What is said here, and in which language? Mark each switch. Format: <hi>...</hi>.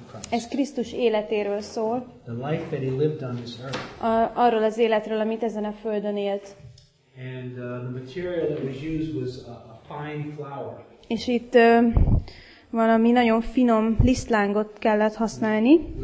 <hu>Ez Krisztus életéről szól.</hu> <en>The life that he lived on this earth.</en> <hu>Arról az életről, amit ezen a földön élt.</hu> <en>And the material that was used was a fine flour.</en> <hu>És itt valami nagyon finom lisztlángot kellett használni.</hu>